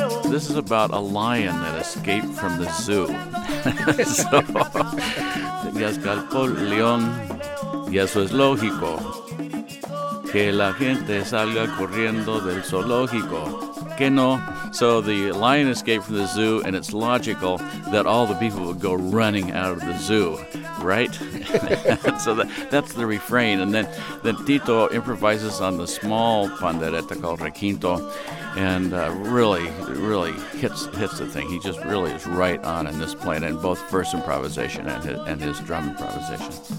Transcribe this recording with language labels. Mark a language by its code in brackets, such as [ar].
[en] This is about a lion that escaped from the zoo. [es] So, ya escapó el león, y eso es lógico, que la gente salga corriendo del zoológico. [en] So the lion escaped from the zoo, and it's logical that all the people would go running out of the zoo, right? So that's the refrain. And then Tito improvises on the small pandereta called requinto, and really, really hits the thing. He just really is right on in this plane in both verse improvisation and his drum improvisation.